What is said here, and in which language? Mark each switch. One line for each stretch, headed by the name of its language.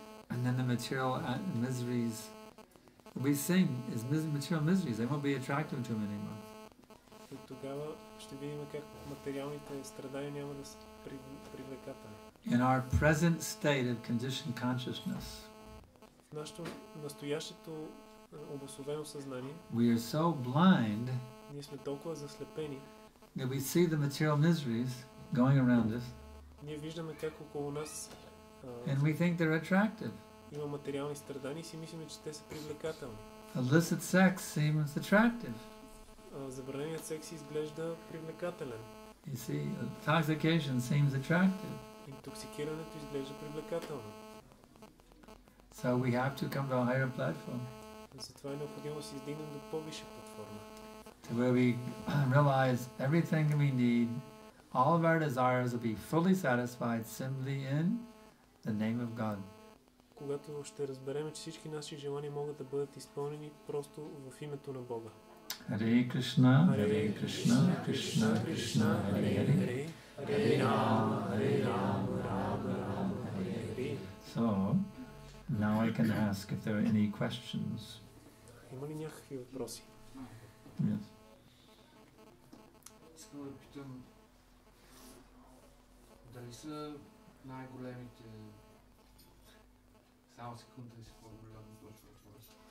English: And then the material miseries will be seen as material miseries. They won't be attractive to him anymore.
Bulgarian: И тогава ще видим как материалните страдания няма да са привлекателни.
English: In our present state of conditioned consciousness,
Bulgarian: в нашето настоящето обусловено съзнание,
English: we are so blind,
Bulgarian: ние сме толкова заслепени,
English: that we see the material miseries going around us,
Bulgarian: ние виждаме как около нас,
English: and we think they're attractive.
Bulgarian: Има материални страдания и си мислиме, че те са привлекателни.
English: Illicit sex seems attractive.
Bulgarian: Забраненият секс изглежда привлекателен.
English: You see, intoxication seems attractive.
Bulgarian: Интоксикирането изглежда привлекателно.
English: So we have to come to a higher platform.
Bulgarian: Затова е необходимо да се издигнем до по-висша платформа.
English: To where we realize everything we need, all of our desires will be fully satisfied simply in the name of God.
Bulgarian: когато ще разберем, че всички наши желания могат да бъдат изпълнени просто в името на Бога.
Sanskrit: Hare Krishna, Hare Krishna, Krishna Krishna, Hare Hare, Hare Rama, Hare Rama, Rama Rama, Hare Hare.
English: So, now I can ask if there are any questions.
Bulgarian: Има ли някакви въпроси?
English: Yes.
Bulgarian: Искам да питам, дали са най-големите, само секунда ли са по-големи, точно въпроси?